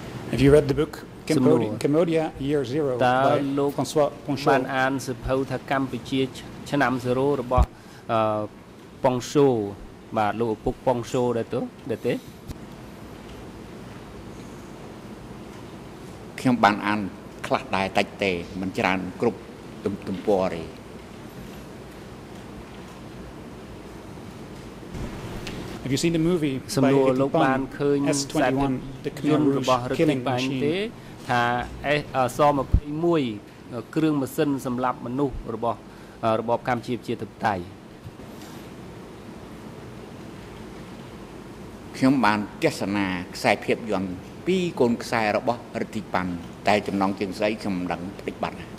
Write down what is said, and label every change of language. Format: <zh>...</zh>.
<en>Have you read the book Cambodia Year Zero by François Ponchot?</en> <km>បានអានសៀវភៅថាកម្ពុជាឆ្នាំ0របស់ប៉ុងសូបាទលោកឪពុកប៉ុងសូដែរទៅទេ ខ្ញុំបានអានខ្លះដែរតិចទេមិនច្រើនគ្រប់ទំព័រទេ</km> <en>Have you seen the movie</en> <km>សម្ដួលលោកបានឃើញ</km> <en>S21 The Khmer Rouge Killing Machine</en> <km>ថា S21 គ្រឿងម៉ាស៊ីនសម្លាប់មនុស្សរបស់របបកម្ពុជាប្រជាធិបតេយ្យ ខ្ញុំបានទស្សនាខ្សែភាពយន្ត2កូនខ្សែរបស់រតិប័នតែចំណងជើងស្រីខ្ញុំមិនដឹងផ្ទិចបាត</km>